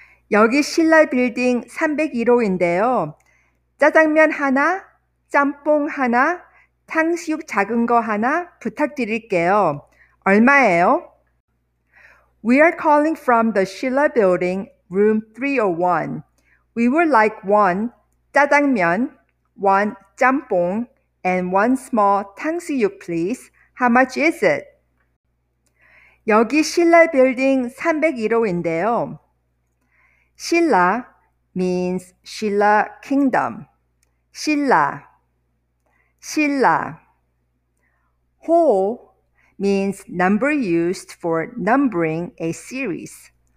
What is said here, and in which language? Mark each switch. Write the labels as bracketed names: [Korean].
[Korean] 여기 신라 빌딩 301호인데요. 짜장면 하나, 짬뽕 하나, 탕수육 작은 거 하나 부탁드릴게요. 얼마예요? [English] We are calling from the Shilla Building, room 301. We would like one 짜장면, one 짬뽕, and one small 탕수육, please. How much is it? [Korean] 여기 신라 빌딩 301호인데요. [English] 신라 means Shilla Kingdom. 신라. 신라. 호 means number used for numbering a series.